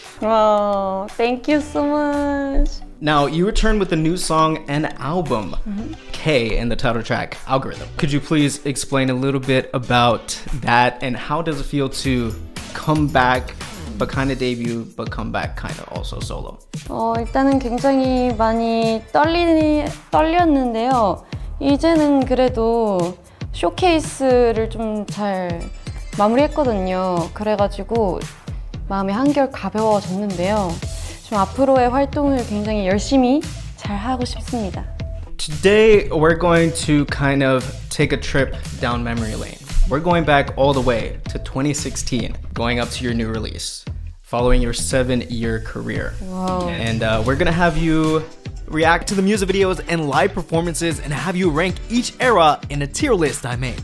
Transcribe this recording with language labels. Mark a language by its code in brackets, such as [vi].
[en] Oh, thank you so much. Now, you returned with a new song and album, K, in the title track, Algorithm. Could you please explain a little bit about that, and how does it feel to come back but kind of debut, but come back kind of also solo. [ko] 일단은 굉장히 많이 떨렸는데요. 이제는 그래도 쇼케이스를 좀 잘 마무리했거든요. 그래가지고 마음이 한결 가벼워졌는데요. 좀 앞으로의 활동을 굉장히 열심히 잘 하고 싶습니다. [en] Today we're going to kind of take a trip down memory lane. We're going back all the way to 2016, going up to your new release, following your 7-year career. Wow. And we're gonna have you react to the music videos and live performances and have you rank each era in a tier list I made.